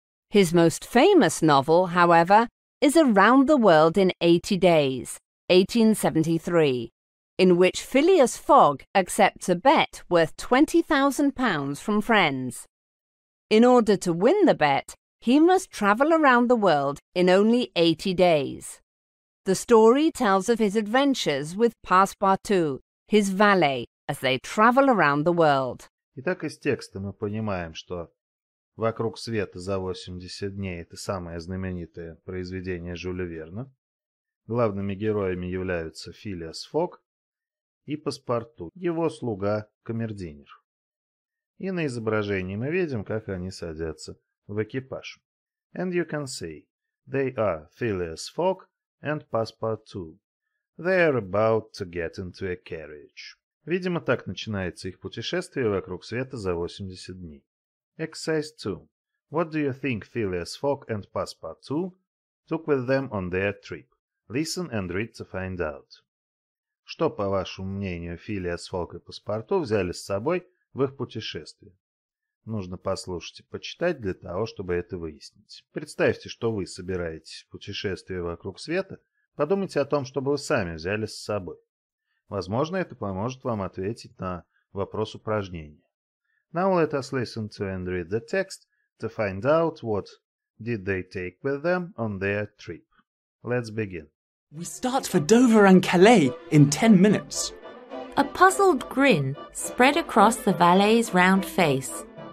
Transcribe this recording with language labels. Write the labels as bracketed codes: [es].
[en] His most famous novel, however, is Around the World in 80 Days, 1873, in which Phileas Fogg accepts a bet worth £20,000 from friends. In order to win the bet, he must travel around the world in only 80 days. The story tells of his adventures with Passepartout, his valet, as they travel around the world. [ru] Итак, из текста мы понимаем, что «Вокруг света за 80 дней» — это самое знаменитое произведение Жюля Верна. Главными героями являются Филиас Фог и Паспарту, его слуга Камердинер. И на изображении мы видим, как они садятся в экипаж. [en] And you can see, they are Phileas Fogg and Passepartout. They are about to get into a carriage. [ru] Видимо, так начинается их путешествие вокруг света за 80 дней. [en] Exercise 2. What do you think Phileas Fogg and Passepartout took with them on their trip? Listen and read to find out. [ru] Что, по вашему мнению, Phileas Fogg и Passepartout взяли с собой в их путешествие? Нужно послушать и почитать для того, чтобы это выяснить. Представьте, что вы собираетесь в путешествие вокруг света. Подумайте о том, чтобы вы сами взяли с собой. Возможно, это поможет вам ответить на вопрос упражнения. [en] Now let us listen to and read the text to find out what did they take with them on their trip. Let's begin. We start for Dover and Calais in 10 minutes. A puzzled grin spread across the valet's round face.